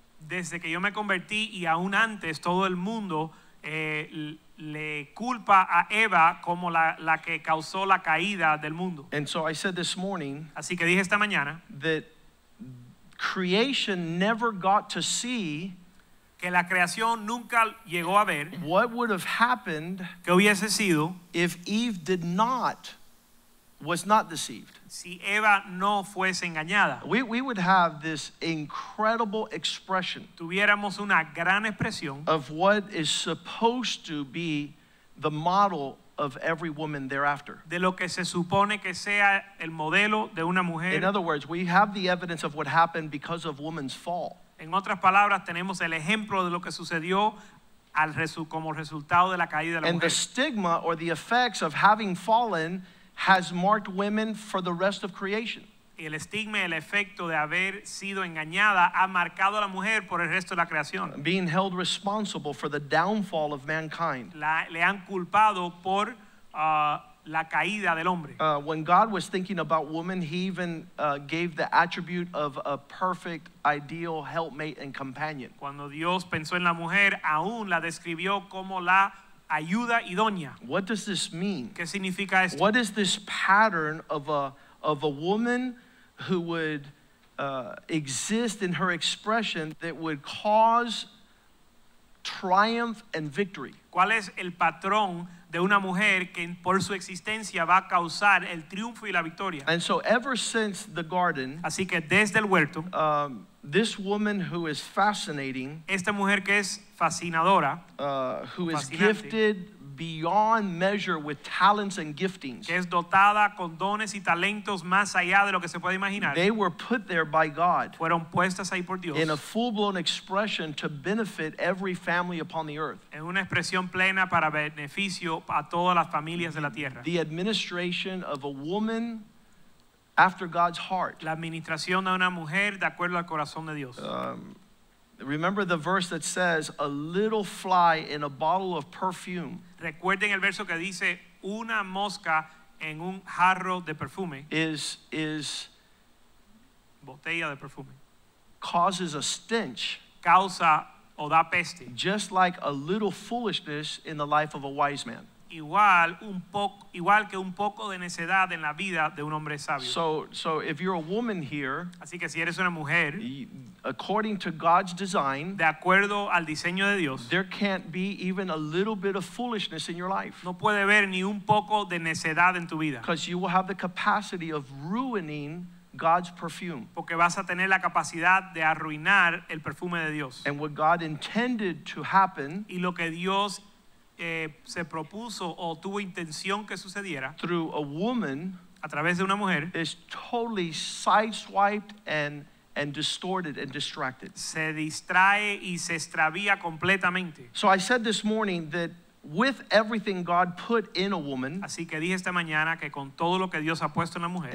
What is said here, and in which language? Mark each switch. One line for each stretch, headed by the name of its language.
Spanish: Desde que yo me convertí y aún antes, todo el mundo le culpa a Eva como la que causó la caída del mundo.
English: And so I said this morning,
Spanish: así que dije esta mañana,
English: that creation never got to see
Spanish: que la creación nunca llegó a ver
English: what would have happened,
Spanish: que hubiese sido,
English: if Eve did not, was not deceived.
Spanish: Si Eva no fuese engañada,
English: we would have this incredible expression,
Spanish: tuviéramos una gran expresión,
English: of what is supposed to be the model of every woman thereafter.
Spanish: De lo que se supone que sea el modelo de una mujer.
English: In other words, we have the evidence of what happened because of woman's fall.
Spanish: En otras palabras, tenemos el ejemplo de lo que sucedió como resultado de la caída de la mujer.
English: And the stigma or the effects of having fallen has marked women for the rest of creation.
Spanish: El estigma, el efecto de haber sido engañada ha marcado a la mujer por el resto de la creación.
English: Being held responsible for the downfall of mankind.
Spanish: Le han culpado por la caída del hombre.
English: When God was thinking about woman, he even gave the attribute of a perfect, ideal helpmate and companion.
Spanish: Cuando Dios pensó en la mujer, aún la describió como la ayuda idónea.
English: What does this mean?
Spanish: ¿Qué significa esto?
English: What is this pattern of a woman who would exist in her expression that would cause triumph and victory?
Spanish: ¿Cuál es el patrón de una mujer que por su existencia va a causar el triunfo y la victoria?
English: And so ever since the garden,
Spanish: así que desde el huerto,
English: this woman who is fascinating,
Spanish: esta mujer que es fascinadora,
English: who is gifted beyond measure with talents and giftings,
Spanish: que es dotada con dones y talentos más allá de lo que se puede imaginar,
English: they were put there by God,
Spanish: fueron puestas ahí por Dios,
English: in a full-blown expression to benefit every family upon the earth,
Spanish: en una expresión plena para beneficio a todas las familias de la tierra.
English: The administration of a woman after God's heart.
Spanish: La administración de una mujer de acuerdo al corazón de Dios.
English: Remember the verse that says, a little fly in a bottle of perfume.
Spanish: Recuerden el verso que dice, una mosca en un jarro de perfume.
English: Is
Spanish: botella de perfume.
English: Causes a stench.
Spanish: Causa o da peste.
English: Just like a little foolishness in the life of a wise man.
Spanish: Igual que un poco de necedad en la vida de un hombre sabio.
English: So if you're a woman here,
Spanish: así que si eres una mujer,
English: according to God's design,
Spanish: de acuerdo al diseño de Dios,
English: there can't be even a little bit of foolishness in your life.
Spanish: No puede haber ni un poco de necedad en tu vida.
English: Because you will have the capacity of ruining God's perfume.
Spanish: Porque vas a tener la capacidad de arruinar el perfume de Dios.
English: And what God intended to happen,
Spanish: y lo que Dios se propuso o tuvo intención que sucediera,
English: through a woman,
Spanish: a través de una mujer,
English: is totally sideswiped and distorted and distracted.
Spanish: Se distrae y se extravía completamente.
English: So I said this morning that with everything God put in a woman,
Spanish: así que dije esta mañana que con todo lo que Dios ha puesto en la mujer,